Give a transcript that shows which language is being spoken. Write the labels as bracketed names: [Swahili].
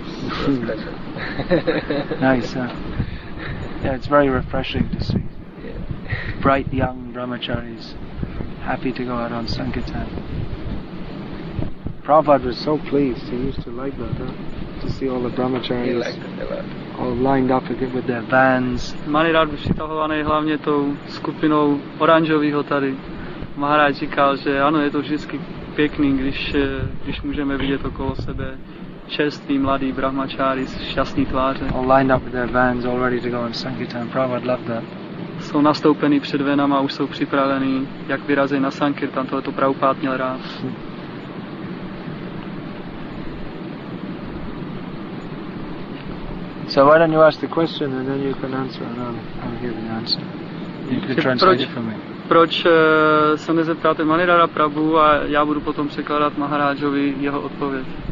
[English] Nice, huh? Yeah, it's very refreshing to see bright young brahmacharis happy to go out on Sankirtan. Prabhupada was so pleased, he used to like that, huh? To see all the brahmacharis all lined up again with their vans. [Czech] Mani rád byl přitahovaný hlavně tou skupinou oranžovýho tady. Maharaj říkal, že ano, je to vždycky pěkný, když můžeme vidět okolo sebe čerstvý mladý brahmačáry s šťastný tváře. [English] All lined up with their vans, all ready to go on Sankirtan. Prabhupada loved that. [Czech] Jsou nastoupený před venama a už jsou připravený, jak vyrazí na Sankirtan. Tohle to Prabhupád měl rád. [English] So why don't you ask the question and then you can answer and I'll hear the answer. [Czech] Proč se nezeptáte Manirara Prabhu a já budu potom překládat Maharajovi jeho odpověď.